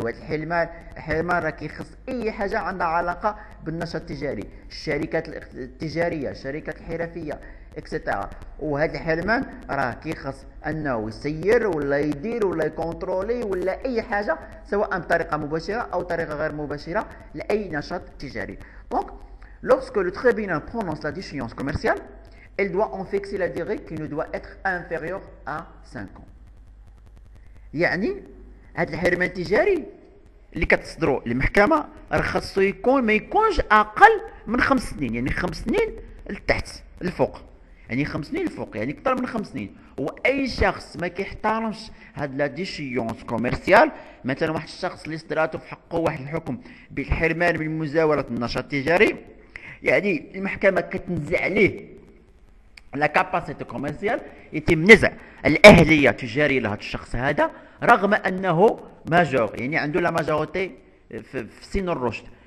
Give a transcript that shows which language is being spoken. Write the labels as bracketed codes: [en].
[ar] وهذا الحرمان راه كيخص أي حاجة عندها علاقة بالنشاط التجاري، الشركات التجارية، الشركات الحرفية اكسيتيرا. وهذا الحرمان راه كيخص انه يسير ولا يدير ولا يكونترولي ولا اي حاجه، سواء بطريقه مباشره او طريقه غير مباشره، لاي نشاط تجاري. [fr] دونك لوسكو لو تريبينال برونونس لا ديشيونس كوميرسيال il doit en fixer la durée qui ne doit être inférieure à 5 ans. [ar] يعني هذا الحرمان التجاري اللي كتصدروا للمحكمه راه خاصو يكون ما يكونش اقل من 5 سنين، يعني 5 سنين لتحت الفوق، يعني 5 سنين الفوق، يعني اكثر من 5 سنين. واي شخص ما كيحترمش هاد لا ديشيونس كوميرسيال، مثلا واحد الشخص اللي صدراتو في حقه واحد الحكم بالحرمان من مزاوله النشاط التجاري، يعني المحكمه كتنزع عليه لا كاباسيتي كوميرسيال، يتم نزع الاهليه التجاريه لهذا الشخص هذا، رغم انه ماجور، يعني عنده لا ماجوريتي في سن الرشد.